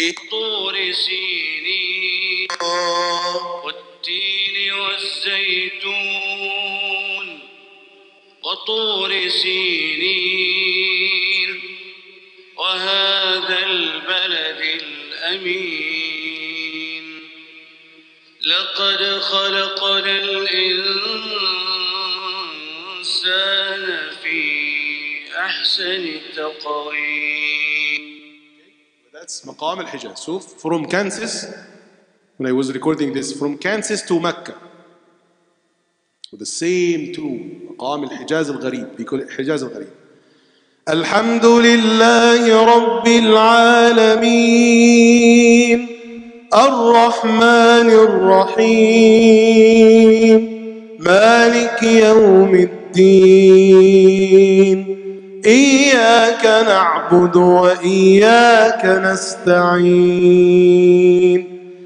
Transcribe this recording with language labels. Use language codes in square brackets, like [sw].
[ar] طور سينين والتين والزيتون وطور سينين وهذا البلد الأمين لقد خلقنا الإنسان في أحسن تقويم. [en] Okay. That's [ar] مقام الحجاز. [en] So from Kansas, when I was recording this, from Kansas to Mecca. With the same tune, [ar] مقام الحجاز الغريب, بكل حجاز الغريب. الحمد لله رب العالمين الرحمن الرحيم مالك يوم الدين إياك نعبد وإياك نستعين